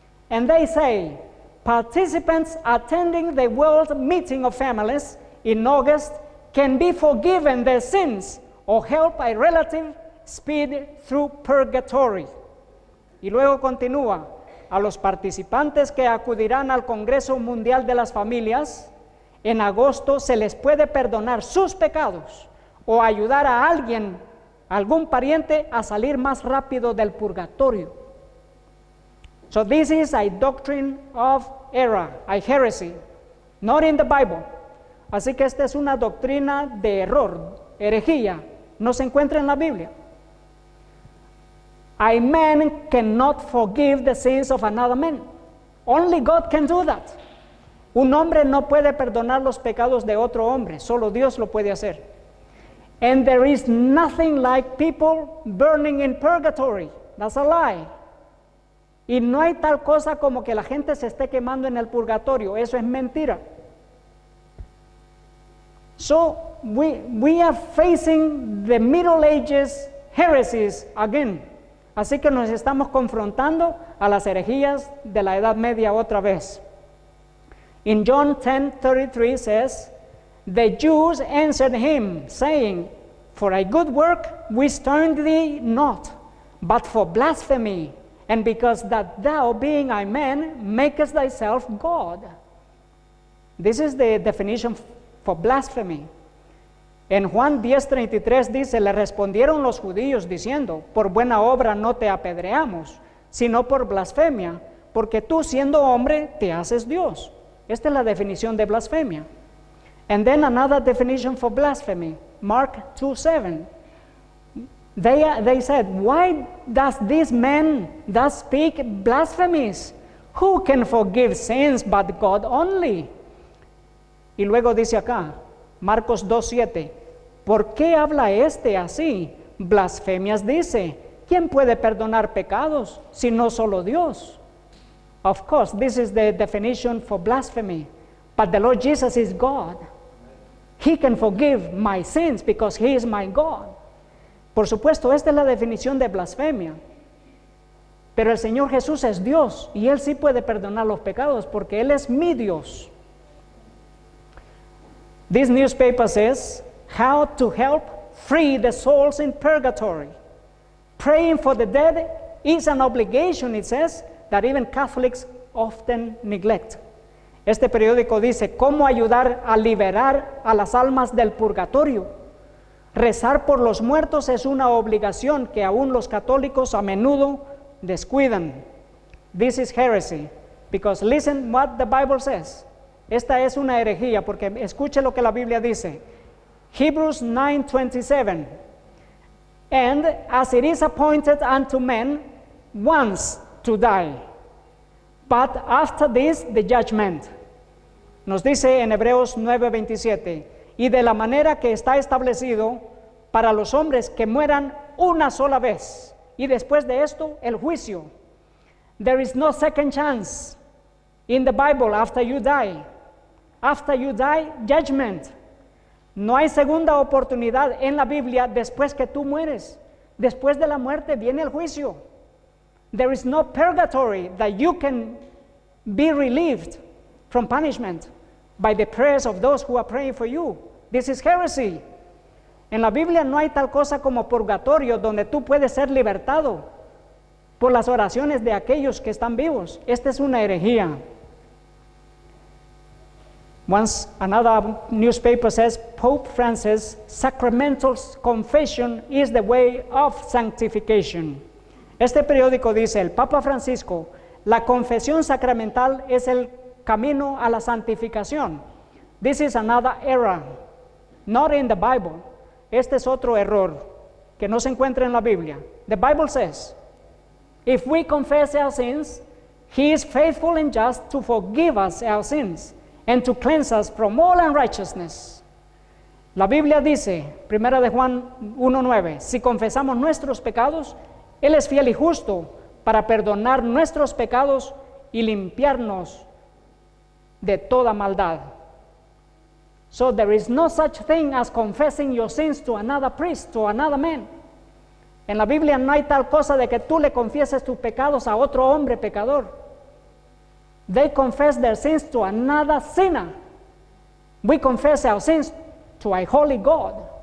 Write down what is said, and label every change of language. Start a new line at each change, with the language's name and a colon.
English: And they say, participants attending the World Meeting of Families in August can be forgiven their sins or help a relative speed through purgatory.
Spanish: Y luego continúa, a los participantes que acudirán al Congreso Mundial de las Familias, en agosto se les puede perdonar sus pecados o ayudar a alguien, algún pariente, a salir más rápido del purgatorio.
English: So this is a doctrine of error, a heresy, not in the Bible.
Spanish: Así que esta es una doctrina de error, herejía, no se encuentra en la Biblia.
English: A man cannot forgive the sins of another man. Only God can do that.
Spanish: Un hombre no puede perdonar los pecados de otro hombre, solo Dios lo puede hacer.
English: And there is nothing like people burning in purgatory. That's a lie.
Spanish: Y no hay tal cosa como que la gente se esté quemando en el purgatorio. Eso es mentira.
English: So we are facing the Middle Ages heresies again.
Spanish: Así que nos estamos confrontando a las herejías de la Edad Media otra vez.
English: In John 10:33 says, the Jews answered him, saying, for a good work we stone thee not, but for blasphemy, and because that thou, being a man, makest thyself God. This is the definition for blasphemy.
Spanish: En Juan 10:33 dice, le respondieron los judíos diciendo, por buena obra no te apedreamos, sino por blasfemia, porque tú siendo hombre te haces Dios. Esta es la definición de blasfemia.
English: And then another definition for blasphemy, Mark 2:7. They said, "Why does this man thus speak blasphemies? Who can forgive sins but God only?"
Spanish: Y luego dice acá, Marcos 2:7, ¿por qué habla este así? Blasfemias dice, ¿quién puede perdonar pecados si no solo Dios?
English: Of course, this is the definition for blasphemy, but the Lord Jesus is God. He can forgive my sins because he is my God.
Spanish: Por supuesto, esta es la definición de blasfemia. Pero el Señor Jesús es Dios y Él sí puede perdonar los pecados porque Él es mi Dios.
English: This newspaper says, how to help free the souls in purgatory. Praying for the dead is an obligation, it says, that even Catholics often neglect.
Spanish: Este periódico dice, ¿cómo ayudar a liberar a las almas del purgatorio? Rezar por los muertos es una obligación que aún los católicos a menudo descuidan.
English: This is heresy, because listen what the Bible says.
Spanish: Esta es una herejía, porque escuche lo que la Biblia dice.
English: Hebrews 9:27. And as it is appointed unto men once to die, but after this the judgment.
Spanish: Nos dice en Hebreos 9:27. Y de la manera que está establecido para los hombres que mueran una sola vez, y después de esto, el juicio.
English: There is no second chance in the Bible after you die. After you die, judgment.
Spanish: No hay segunda oportunidad en la Biblia después que tú mueres. Después de la muerte viene el juicio.
English: There is no purgatory that you can be relieved from punishment by the prayers of those who are praying for you. This is heresy.
Spanish: En la Biblia no hay tal cosa como purgatorio donde tú puedes ser libertado por las oraciones de aquellos que están vivos. Esta es una herejía.
English: Once another newspaper says, Pope Francis' sacramental confession is the way of sanctification.
Spanish: Este periódico dice, el Papa Francisco, la confesión sacramental es el camino a la santificación.
English: This is another error, not in the Bible.
Spanish: Este es otro error que no se encuentra en la Biblia.
English: The Bible says, if we confess our sins, he is faithful and just to forgive us our sins and to cleanse us from all unrighteousness.
Spanish: La Biblia dice, Primera de Juan 1:9, si confesamos nuestros pecados, él es fiel y justo para perdonar nuestros pecados y limpiarnos de toda maldad.
English: So there is no such thing as confessing your sins to another priest, to another man.
Spanish: En la Biblia no hay tal cosa de que tú le confieses tus pecados a otro hombre pecador.
English: They confess their sins to another sinner. We confess our sins to a holy God.